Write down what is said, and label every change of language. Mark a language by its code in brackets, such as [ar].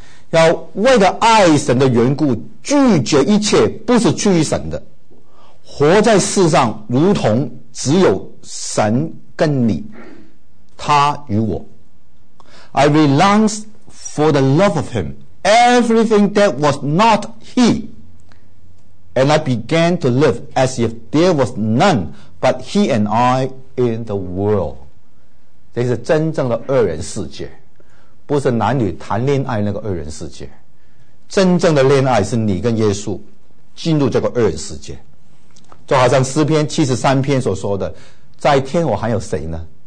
[zh] 要为了爱神的缘故拒绝一切不是出于神的，活在世上如同只有神跟你，他与我。 [en] I renounce for the love of him everything that was not he, and I began to live as if there was none but he and I in the world。 [zh] 这是真正的二人世界，不是男女谈恋爱那个二人世界，真正的恋爱是你跟耶稣进入这个二人世界，就好像诗篇七十三篇所说的，在天我还有谁呢？